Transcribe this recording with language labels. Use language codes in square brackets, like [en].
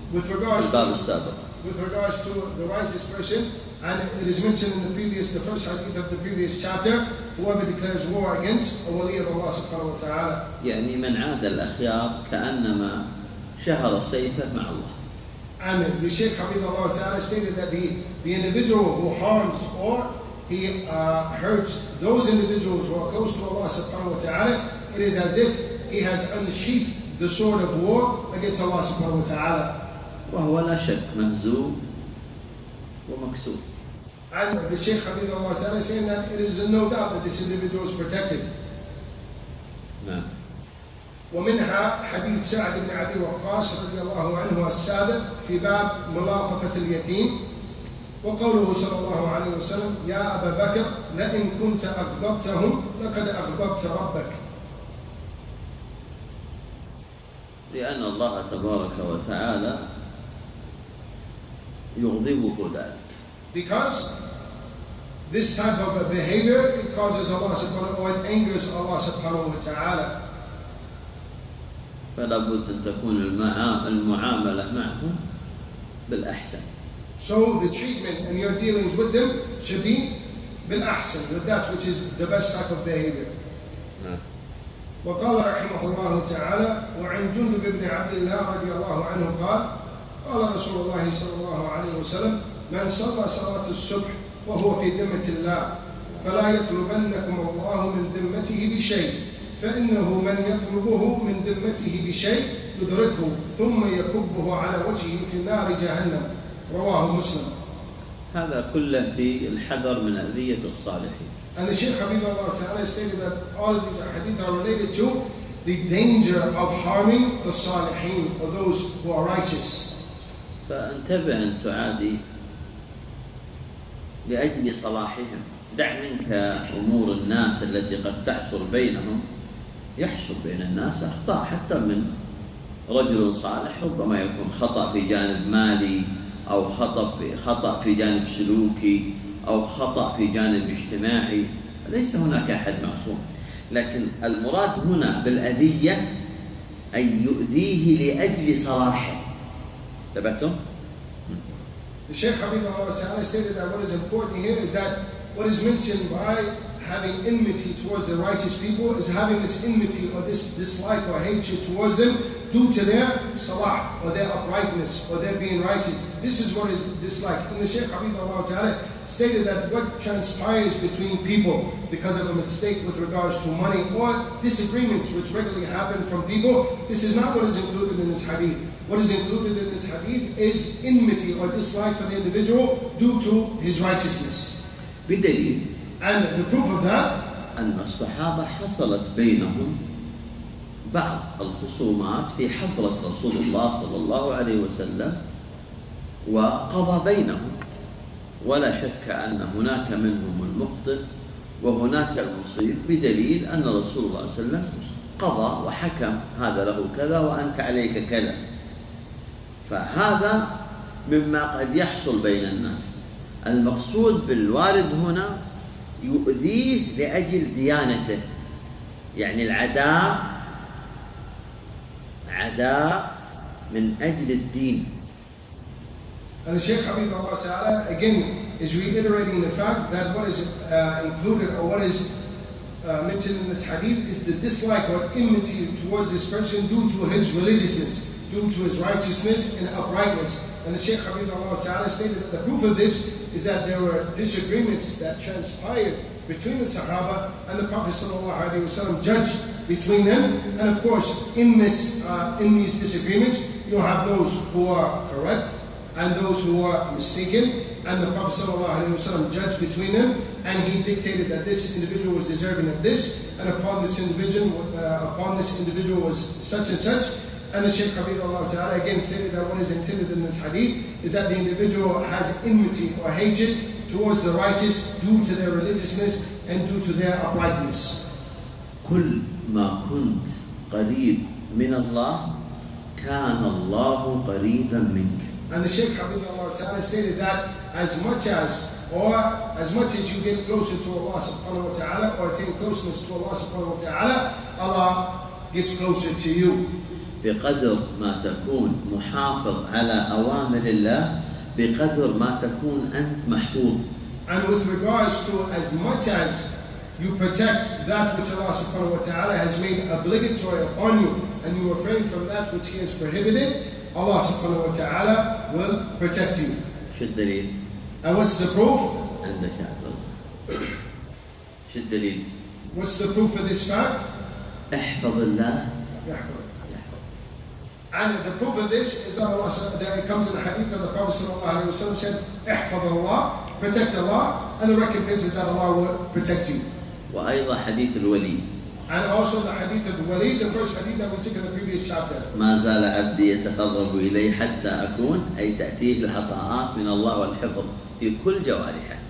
[ar] الباب السابق [en] with regards to the righteous person and it is mentioned in the previous the first hadith of the previous chapter whoever declares war against a wali of Allah subhanahu wa ta'ala [ar] يعني من عادى الأخيار كأنما شهر سيفه مع الله [en] and the Shaykh Hafidhullah Ta'ala stated that the individual who harms or he hurts those individuals who are close to Allah subhanahu wa ta'ala it is as if he has unsheathed the sword of war against Allah subhanahu wa ta'ala [ar] وهو لا شك مهزوم ومكسور [en] and the Shaykh Hafidhullah Ta'ala saying that it is no doubt that this individual is protected [ar] نعم ومنها حديث سعد بن عدي وقاص رضي الله عنه السابق في باب ملاطفة اليتيم وقوله صلى الله عليه وسلم يا أبا بكر لئن كنت أغضبتهم لقد أغضبت ربك لأن الله تبارك وتعالى يغضبه ذلك [en] because this type of a behavior it causes Allah subhanahu or it angers Allah subhanahu wa ta'ala [ar] فلا بد أن تكون المعاملة معهم بالأحسن. [en] So the treatment and your dealings with them should be بالأحسن, with that which is the best type of behavior. [ar] وقال رحمه الله تعالى وعن جندب بن عبد الله رضي الله عنه قال قال رسول الله صلى الله عليه وسلم من صلى صلاة الصبح فهو في ذمة الله فلا يطلبنكم الله من ذمته بشيء فإنه من يطلبه من ذمته بشيء يدركه ثم يكبه على وجهه في نار جهنم رواه مسلم هذا كله في الحذر من أذية الصالحين [en] And the Shaykh Hafidhullah Ta'ala stated that all of these hadith are related to the danger of harming the salihin or those who are righteous. [ar] فانتبه أن تعادي لأجل صلاحهم. دع منك أمور الناس التي قد تحصل بينهم يحصل بين الناس أخطاء حتى من رجل صالح ربما يكون خطأ في جانب مالي أو خطأ في جانب سلوكي أو خطأ في جانب اجتماعي ليس هناك أحد معصوم لكن المراد هنا بالأذية أن يؤذيه لأجل صلاحه تبعتم؟ الشيخ حبيب الله تعالى [en] stated that what is important here is that what is mentioned by having enmity towards the righteous people is having this enmity or this dislike or hatred towards them due to their salah or their uprightness or their being righteous. This is what is dislike. And the Shaykh Habibullah Ta'ala stated that what transpires between people because of a mistake with regards to money or disagreements which regularly happen from people, this is not what is included in this hadith. What is included in this hadith is enmity or dislike for the individual due to his righteousness. [ar] بدليل. [en] And the proof of that, [ar] أن الصحابة حصلت بينهم بعض الخصومات في حضرة رسول الله صلى الله عليه وسلم وقضى بينهم ولا شك أن هناك منهم المخطئ وهناك المصيب بدليل أن رسول الله صلى الله عليه وسلم قضى وحكم هذا له كذا وأنت عليك كذا فهذا مما قد يحصل بين الناس المقصود بالوارد هنا يؤذيه لأجل ديانته يعني العداء عداء من أجل الدين. [en] And the Shaykh Habib Allah Ta'ala again is reiterating the fact that what is included or what is mentioned in this hadith is the dislike or enmity towards this person due to his religiousness, due to his righteousness and uprightness. And the Shaykh Habib Allah Ta'ala stated that the proof of this is that there were disagreements that transpired between the Sahaba and the Prophet Sallallahu Alaihi Wasallam judged between them. And of course, in these disagreements, you'll have those who are correct and those who are mistaken. And the Prophet Sallallahu Alaihi Wasallam judged between them. And he dictated that this individual was deserving of this. And upon this individual was such and such. And the Shaykh Habibullah Ta'ala again stated that what is intended in this hadith is that the individual has enmity or hatred towards the righteous due to their religiousness and due to their uprightness. [ar] كل ما كنت قريب من الله كان الله قريبا منك. [en] And the Shaykh Habibullah Ta'ala stated that as much as you get closer to Allah subhanahu wa ta'ala or attain closeness to Allah subhanahu wa ta'ala, Allah gets closer to you. [ar] بقدر ما تكون محافظ على أوامر الله بقدر ما تكون أنت محفوظ. [en] And with regards to as much as you protect that which Allah subhanahu wa ta'ala has made obligatory upon you and you refrain from that which He has prohibited, Allah subhanahu wa ta'ala will protect you. [ar] شو الدليل؟ [en] And what's the proof? [ar] عندك يا عبد الله. شو الدليل؟ [en] What's the proof of this fact? [ar] احفظ الله. [en] And the proof of this is that Allah said, that it comes in the hadith that the Prophet sallallahu alaihi wasallam said, [ar] احفظ الله, [en] protect Allah, and the recompense is that Allah will protect you. [ar] وأيضا حديث الوليد. [en] And also the hadith of Walid, the first hadith that we took in the previous chapter. [ar] ما زال عبدي يتقرب إلي حتى أكون أي تأتيه الحطاءات من الله والحفظ في كل جوارحه.